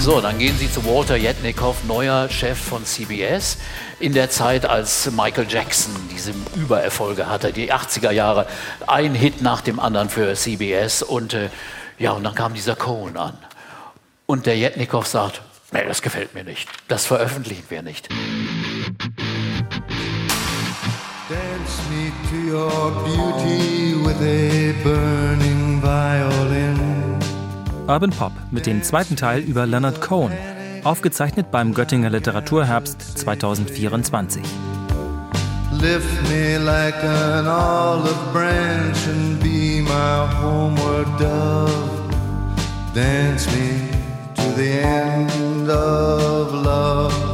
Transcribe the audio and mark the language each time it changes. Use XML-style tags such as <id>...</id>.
<de>So, dann gehen Sie zu Walter Yetnikoff, neuer Chef von CBS. In der Zeit, als Michael Jackson diese Übererfolge hatte, die 80er Jahre, ein Hit nach dem anderen für CBS. Und ja, und dann kam dieser Cohen an. Und der Yetnikoff sagt, nee, das gefällt mir nicht. Das veröffentlichen wir nicht.</de> <en>Dance me to your beauty with a burning violin.</en> <de>Urban Pop mit dem zweiten Teil über Leonard Cohen, aufgezeichnet beim Göttinger Literaturherbst 2024.</de> <en>Lift me like an olive branch and be my homeward dove. Dance me to the end of love.</en>